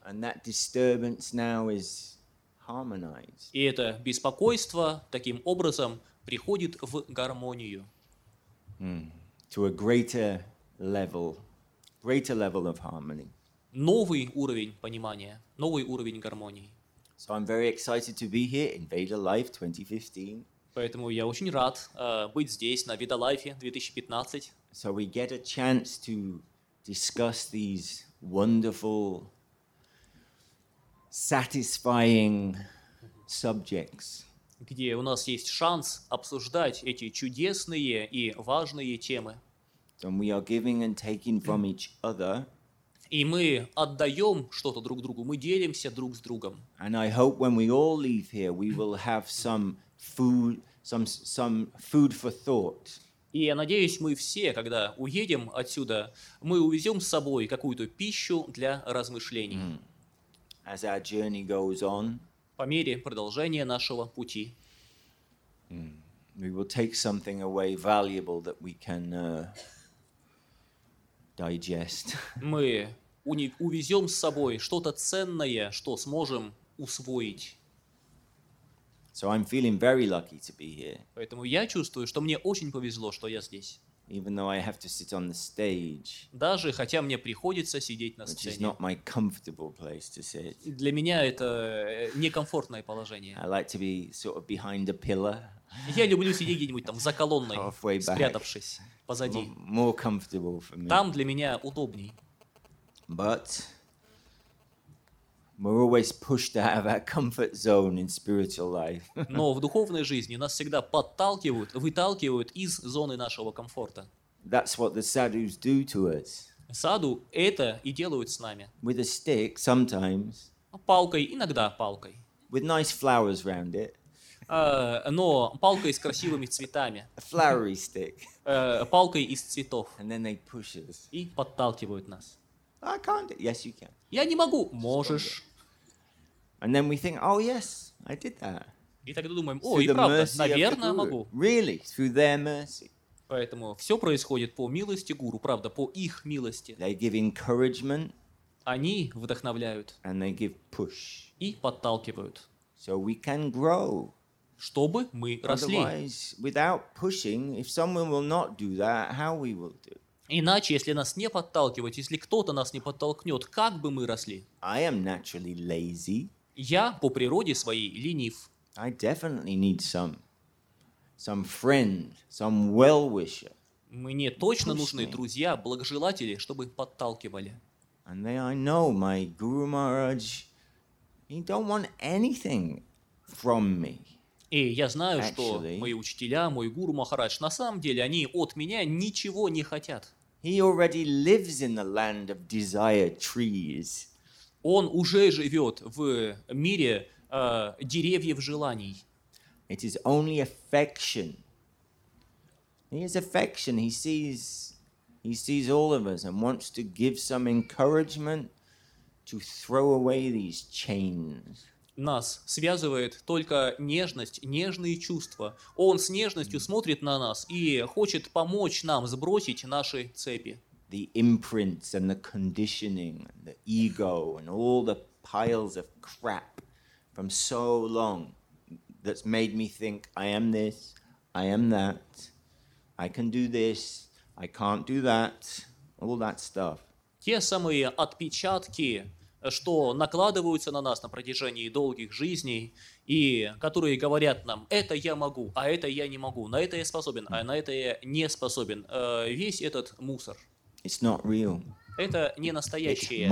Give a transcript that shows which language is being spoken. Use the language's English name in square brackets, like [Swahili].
[English] And that disturbance now is harmonized. [Russian] И это беспокойство таким образом приходит в гармонию. [English] To a greater level of harmony. [Russian] Новый уровень понимания, новый уровень гармонии. [English] So I'm very excited to be here in Veda Life 2015. [Russian] Поэтому я очень рад быть здесь на Veda Life 2015. [English] So we get a chance to discuss these wonderful, satisfying subjects. [Russian] Где у нас есть шанс обсуждать эти чудесные и важные темы. [English] And we are giving and taking from each other. [Russian] И мы отдаем что-то друг другу, мы делимся друг с другом. [English] And I hope when we all leave here, we will have some food for thought. [Russian] И я надеюсь, мы все, когда уедем отсюда, мы увезем с собой какую-то пищу для размышлений. [English] As our journey goes on. [Russian] По мере продолжения нашего пути. [English] We will take something away valuable that we can. Digest. [Russian] Мы увезем с собой что-то ценное, что сможем усвоить. [English] So I'm feeling very lucky to be here. [Russian] Поэтому я чувствую, что мне очень повезло, что я здесь. [English] even though I have to sit on the stage. [Russian] Даже хотя мне приходится сидеть на [English] which [Russian] сцене. [English] Is not my comfortable place to sit. [Russian] Для меня это некомфортное положение. [English] I like to be sort of behind a pillar. [Russian] Я люблю сидеть где-нибудь там за колонной, [English] halfway back, [Russian] спрятавшись позади. [English] More comfortable for me. [Russian] Там для меня удобней. [English] But we're always pushed out of our comfort zone in spiritual life. [Russian] Но в духовной жизни нас всегда подталкивают, выталкивают из зоны нашего комфорта. [English] That's what the sadhus do to us. [Russian] Саду это и делают с нами. [English] With a stick sometimes. [Russian] Палкой, иногда палкой. [English] With nice flowers around it. [Russian] Но палкой с красивыми цветами. [English] A flowery stick. [Russian] Палкой из цветов. [English] And then they push us. [Russian] И подталкивают нас. [English] I can't. Yes, you can. [Russian] Я не могу. Just можешь. [English] And then we think, oh yes, I did that. [Russian] И тогда думаем, о, и правда, наверное, могу. [English] Really, through their mercy. [Russian] Поэтому все происходит по милости гуру, правда, по их милости. [English] They give encouragement. [Russian] Они вдохновляют. [English] And they give push. [Russian] И подталкивают. [English] So we can grow. [Russian] Чтобы мы росли. [English] Otherwise, without pushing, if someone will not do that, how we will do? [Russian] Иначе, если нас не подталкивать, если кто-то нас не подтолкнет, как бы мы росли? [English] I am naturally lazy. [Russian] Я по природе своей ленив. [English] I definitely need some friend, some well-wisher. [Russian] Мне точно нужны друзья, благожелатели, чтобы подталкивали. [English] And then I know my Guru Maharaj, he don't want anything from me. [Russian] И я знаю, что мои учителя, мой гуру Махарадж, на самом деле, они от меня ничего не хотят. [English] He already lives in the land of desire trees. [Russian] Он уже живет в мире деревьев желаний. [English] It is only affection. He is affection. He sees all of us and wants to give some encouragement to throw away these chains. [Russian] Нас связывает только нежность, нежные чувства. Он с нежностью смотрит на нас и хочет помочь нам сбросить наши цепи. [English] The imprints and the conditioning, and the ego, and all the piles of crap from so long that's made me think I am this, I am that, I can do this, I can't do that, all that stuff. [Russian] Те самые отпечатки, что накладываются на нас на протяжении долгих жизней, и которые говорят нам, это я могу, а это я не могу, на это я способен, а на это я не способен. Весь этот мусор. [English] It's not real. [Russian] Это не настоящее.